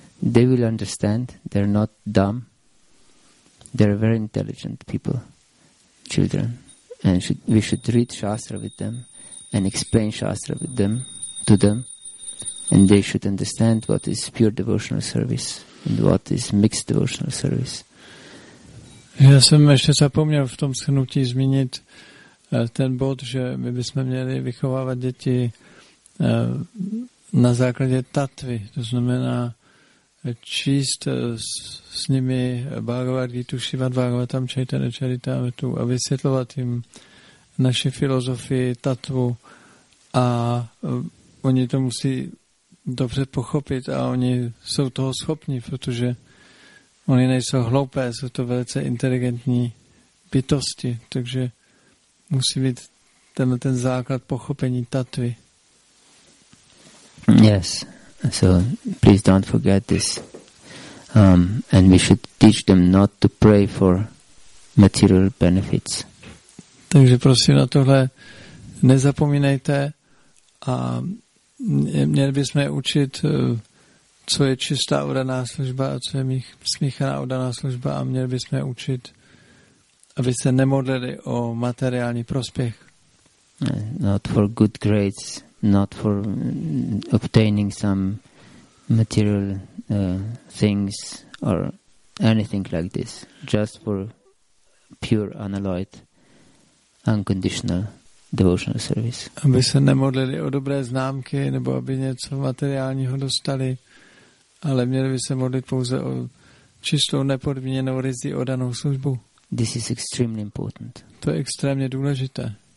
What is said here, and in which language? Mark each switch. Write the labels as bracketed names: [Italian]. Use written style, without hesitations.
[English] They will understand. They're not dumb. They're very intelligent people, children. And we should read Shastra with them and explain Shastra with them, to them. and they should understand what is pure devotional service and what is mixed devotional service. [Czech] Já jsem ještě zapomněl v tom shrnutí zmínit ten bod, že my bychom měli vychovávat děti na základě tatvy, to znamená číst s nimi Bhagavad Gita, Shrimad Bhagavatam, Chaitanya Charitamritu a vysvětlovat jim naši filozofii, tatvu, a oni to musí dobře pochopit a oni jsou toho schopni, protože oni nejsou hloupé, jsou to velice inteligentní bytosti, takže musí být ten základ pochopení tatvy. [English] Yes, so please don't forget this. And we should teach them not to pray for material benefits. [Czech] Takže prosím na tohle nezapomínejte a měli bychom je učit, co je čistá oddaná služba a co je smíchaná oddaná služba, a měli bychom je učit, aby se nemodlili o materiální prospěch. [English] Not for good grades, not for obtaining some material things or anything like this, just for pure unalloyed unconditional devotional service. [Czech] Aby se nemodlili o dobré známky nebo aby něco materiálního dostali, ale měli by se modlit pouze o čistou nepodmíněnou rizí odanou službu. [English] This is extremely important. [Czech] To je extrémně důležité.